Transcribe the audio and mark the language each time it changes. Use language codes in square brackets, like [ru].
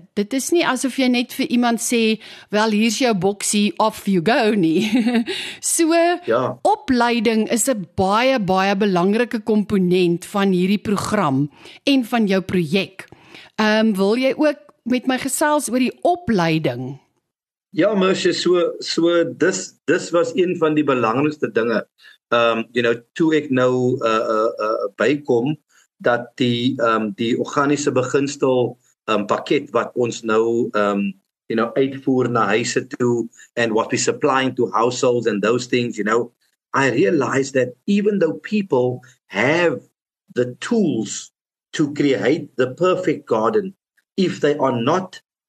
[af] Dit is nie asof jy net vir iemand sê, wel, hier's jou boksie, [en] off you go [af] nie. So, ja. Opleiding is 'n baie, baie belangrike komponent van hierdie program en van jou projek. Wil jy ook met my gesels oor die opleiding? Ja, Mersje, so dis was een van die belangrikste dinge. Toe ek nou bykom, dat die organiese beginsel pakket wat ons nou uitvoer na huise toe [en] and what we supplying to households and those things, you know, I realized that even though people have the tools to create the perfect garden, if they are not